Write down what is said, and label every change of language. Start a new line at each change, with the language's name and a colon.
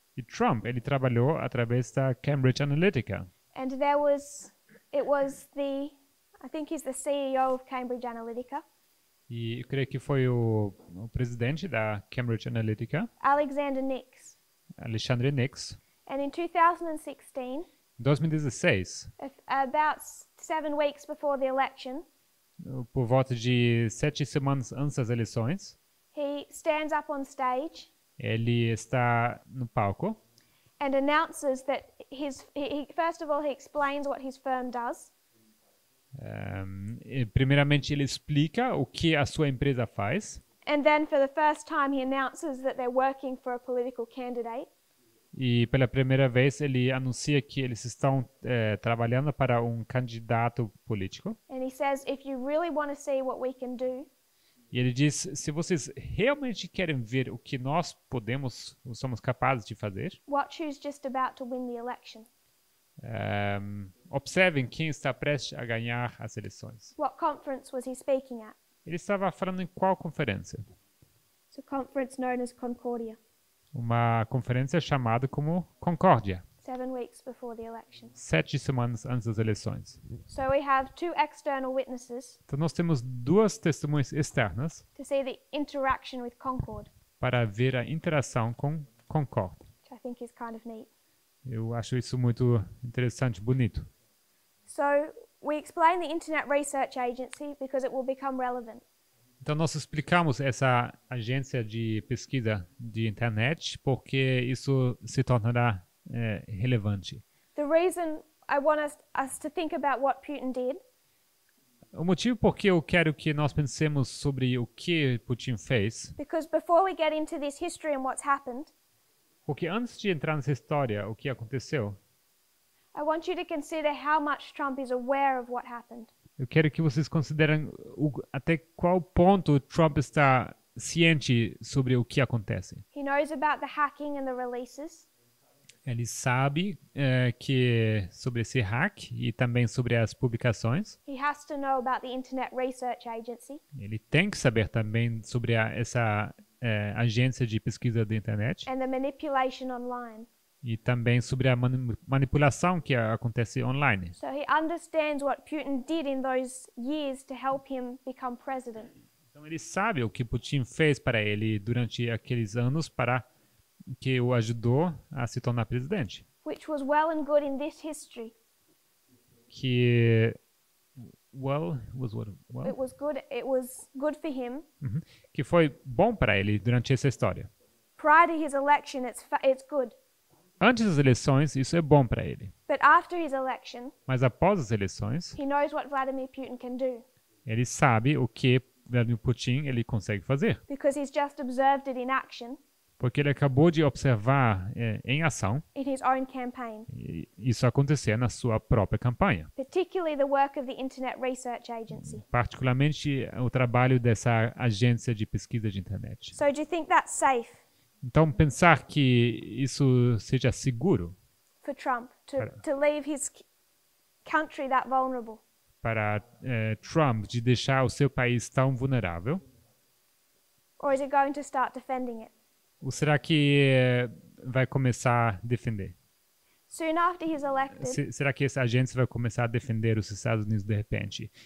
Portuguese: E Trump, ele trabalhou através da Cambridge Analytica.
English: And there was, it was the, I think he's the CEO of Cambridge Analytica.
Portuguese: E eu creio que foi o presidente da Cambridge Analytica.
English: Alexander Nix.
Portuguese: Alexandre Nix.
English: And in 2016.
Portuguese: Em 2016.
English: About 7 weeks before the election.
Portuguese: Por volta de 7 semanas antes das eleições.
English: He stands up on stage.
Portuguese: Ele está no palco.
English: And announces that first of all, he explains what his firm does.
Portuguese: Primeiramente, ele explica o que a sua empresa faz.
English: And then, for the first time, he announces that they're working for a political candidate.
Portuguese: E pela primeira vez, ele anuncia que eles estão trabalhando para um candidato político.
English: And he says, if you really want to see what we can do.
Portuguese: E ele diz, se vocês realmente querem ver o que nós podemos, ou somos capazes de fazer,
English: watch who's just about to win the election.
Portuguese: Observem quem está prestes a ganhar as eleições.
English: What conference was he speaking at?
Portuguese: Ele estava falando em qual conferência?
English: It's a conference known as Concordia.
Portuguese: Uma conferência chamada como Concórdia.
English: 7 weeks before the election.
Portuguese: 7 semanas antes das eleições.
English: So we have two external witnesses.
Portuguese: Então nós temos 2 testemunhas externas.
English: To see the interaction with Concord.
Portuguese: Para ver a interação com Concord.
English: Which I think is kind of neat.
Portuguese: Eu acho isso muito interessante, bonito.
English: So we explain the Internet Research Agency because it will become relevant.
Portuguese: Então nós explicamos essa agência de pesquisa de internet porque isso se tornará relevante.
English: The reason I want us to think about what Putin did.
Portuguese: O motivo porque eu quero que nós pensemos sobre o que Putin fez.
English: Because before we get into this history and what's happened.
Portuguese: Porque antes de entrar nessa história, o que aconteceu?
English: I want you to consider how much Trump is aware of what happened.
Portuguese: Eu quero que vocês considerem até qual ponto Trump está ciente sobre o que acontece.
English: He knows about the hacking and the releases.
Portuguese: Ele sabe que sobre esse hack e também sobre as publicações.
English: He has to know about the Internet Research Agency.
Portuguese: Ele tem que saber também sobre essa agência de pesquisa da internet.
English: And the manipulation online.
Portuguese: E também sobre a manipulação que acontece online.
English: So he understands what Putin did in those years to help him become president.
Portuguese: Então ele sabe o que Putin fez para ele durante aqueles anos para que o ajudou a se tornar presidente.
English: Which was well and good in this history.
Portuguese: Que
English: it was good for him. Uhum.
Portuguese: Que foi bom para ele durante essa história.
English: Prior to his election, it's good.
Portuguese: Antes das eleições, isso é bom para ele.
English: But after his election,
Portuguese: mas após as eleições,
English: he knows what Vladimir Putin can do.
Portuguese: Ele sabe o que Vladimir Putin ele consegue fazer.
English: Because he's just observed it in action.
Portuguese: Porque ele acabou de observar em ação.
English: In his own campaign.
Portuguese: Isso aconteceu na sua própria campanha.
English: Particularly the work of the Internet Research Agency.
Portuguese: Particularmente o trabalho dessa agência de pesquisa de internet.
English: So do you think that's safe?
Portuguese: Então pensar que isso seja seguro
English: for Trump to leave his country that vulnerable.
Portuguese: para Trump de deixar o seu país tão vulnerável?
English: Or is it going to start defending it?
Portuguese: Ou será que vai começar a defender?
English: Soon after he's elected.
Portuguese: Será que essa agência vai começar a defender os Estados Unidos de repente?